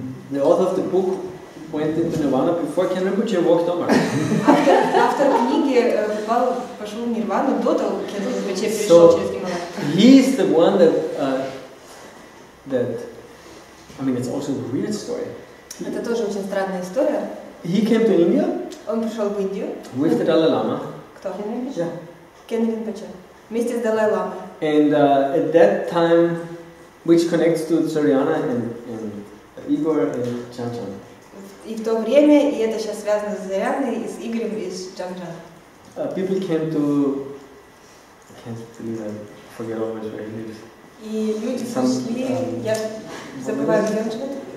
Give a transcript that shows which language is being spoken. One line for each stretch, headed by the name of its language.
English: The author of the book went into Nirvana before Кен Ринпоче walked over.
Russian: Автор книги пошел в Нирвану до того, как Кен Ринпоче перешел через Гималаи.
English: He is the one that it's also a weird story.
Russian: Это тоже очень странная история.
English: He came to India.
Russian: Он пришел в Индию.
English: With the Dalai Lama.
Russian: Кто? Кен Ринпоче.
English: Yeah.
Russian: Кен Ринпоче. Вместе с Далай Ламой.
English: And at that time, which connects to Сарьяна and Игор and Чан Чан.
Russian: И в то время, и это сейчас связано с Зарьяной, и с Игорем, и с Чан Чан.
English: People came to... I can't believe I forget all which way it is.
Russian: И люди пришли, я забываю, где он живет.